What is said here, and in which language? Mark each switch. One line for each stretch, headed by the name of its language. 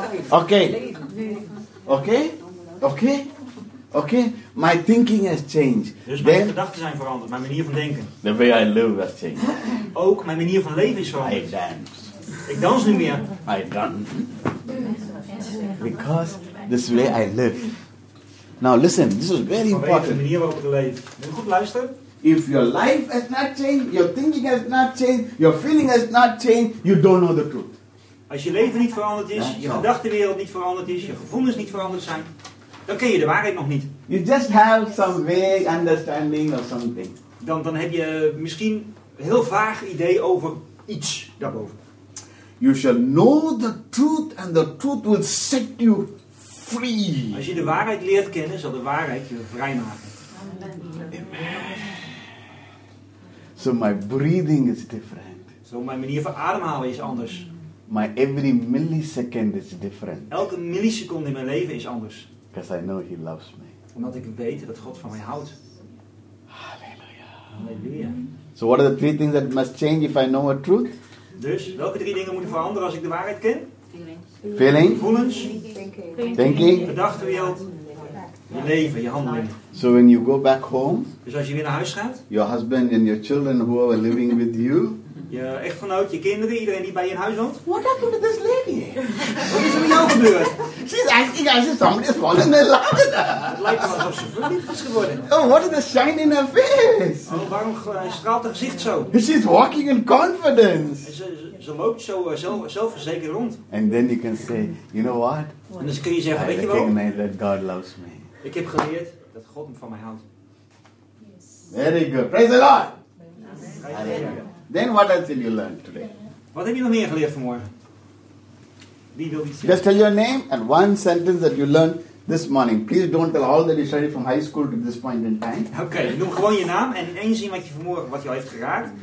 English: Okay. Okay? Okay? Okay, my thinking has changed.
Dutch: Dus mijn gedachten zijn veranderd, mijn manier van denken.
English: The way I live has changed.
Dutch: Ook mijn manier van leven is veranderd.
English: I dance.
Dutch: Ik dans niet meer.
English: I dance. Because this way I live. Now listen, this is very important.
Dutch: De manier waarop ik leef. Moet je goed luisteren?
English: If your life has not changed, your thinking has not changed, your feeling has not changed, you don't know the truth.
Dutch: Als je leven niet veranderd is, je gedachtenwereld niet veranderd is, je gevoelens niet veranderd zijn, dan ken je de waarheid nog niet.
English: You just have some vague understanding of something.
Dutch: Dan heb je misschien een heel vaag idee over iets daarboven.
English: You shall know the truth and the truth will set you free.
Dutch: Als je de waarheid leert kennen, zal de waarheid je vrij maken.
English: Amen. So my breathing is different.
Dutch: Zo mijn manier van ademhalen is anders.
English: My every millisecond is different.
Dutch: Elke milliseconde in mijn leven is anders.
English: Because I know he loves me.
Dutch: Omdat ik weet dat God van mij houdt. Halleluja.
English: So what are the three things that must change if I know a truth?
Dutch: Dus welke drie dingen moeten veranderen als ik de waarheid ken?
English: Feeling.
Dutch: Gevoelens.
English: Thinking.
Dutch: Gedachtenwereld. Je leven, je handeling.
English: So when you go back home.
Dutch: Dus als je weer naar huis gaat.
English: Your husband and your children who are living with you.
Dutch: Je echtgenoot, je kinderen, iedereen die bij je in huis woont.
English: What happened to this lady?
Dutch: Wat is er met jou gebeurd?
English: She's asking as if somebody has fallen in love with her.
Dutch: Het lijkt wel alsof ze verliefd is geworden.
English: Oh, what is the shine in her face?
Dutch: Oh, waarom straalt haar gezicht zo?
English: She's walking in confidence.
Dutch: En ze loopt zo zelfverzekerd rond.
English: And then you can say, you know what?
Dutch: En dan kun je zeggen,
English: I
Dutch: weet je wel?
English: I recognize that God loves me.
Dutch: Ik heb geleerd dat God me van mij houdt.
English: Very good. Praise the Lord. Amen. Then what else did you learn today?
Dutch: Wat heb je nog meer geleerd vanmorgen? Wie wil iets?
English: Just tell your name and one sentence that you learned this morning. Please don't tell all that you studied from high school to this point in time.
Dutch: Oké, okay, noem gewoon je naam en één zin wat je vanmorgen wat je al heeft geraakt.